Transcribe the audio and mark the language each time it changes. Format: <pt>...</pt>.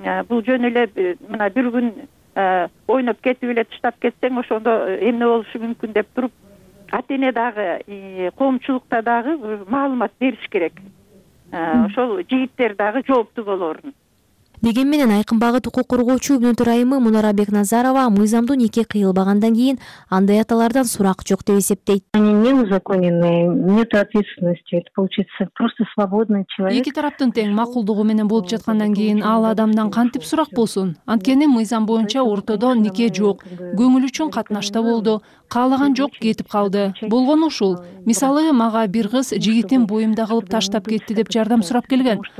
<ky>Бул жөн эле мына бир күн ойноп кетип эле тыштап кетсең ошондо эмне болушу мүмкүн деп туруп ата эне дагы коомчулукта дагы маалымат бериш керек. Ошол жигиттер дагы жооптуу болорун. Деген менен Айкын багыт укук коргоочу Үмүтөр айымы Мунара Бекназарова мыйзамдуу нике кыйылбагандан кийин андай аталардан сурак жок деп эсептейт.</ky> <ru>Они не узаконены, нет ответственности, это получается просто свободный человек.</ru> <ky>Эки тараптын тең макулдугу менен болуп жаткандан кийин ал адамдан кантип сурак болсун? Анткени мыйзам боюнча ортодо нике жок, көңүл үчүн катнашта болду, каалаган жок кетип калды. Болгону ушул. Мисалы, мага бир кыз жигитин боюмда калып таштап кетти деп жардам сурап келген.</ky>